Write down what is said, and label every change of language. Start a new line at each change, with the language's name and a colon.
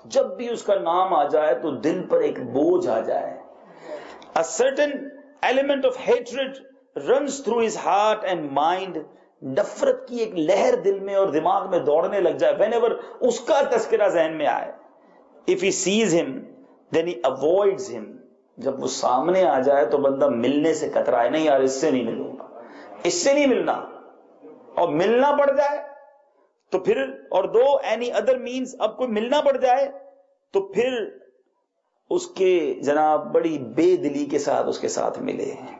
Urdu: جب بھی اس کا نام آ جائے تو دل پر ایک بوجھ آ جائے.
English: A certain element of hatred runs through his heart and mind.
Urdu: نفرت کی ایک لہر دل میں اور دماغ میں دوڑنے لگ جائے. Whenever اس کا تذکرہ ذہن میں آئے.
English: If he sees him, then he avoids him.
Urdu: جب وہ سامنے آ جائے تو بندہ ملنے سے کترائے، نہیں یار اس سے نہیں ملوں گا، اس سے نہیں ملنا. اور ملنا پڑ جائے تو پھر، اور دو any other means، اب کوئی ملنا پڑ جائے تو پھر اس کے جناب بڑی بے دلی کے ساتھ اس کے ساتھ ملے.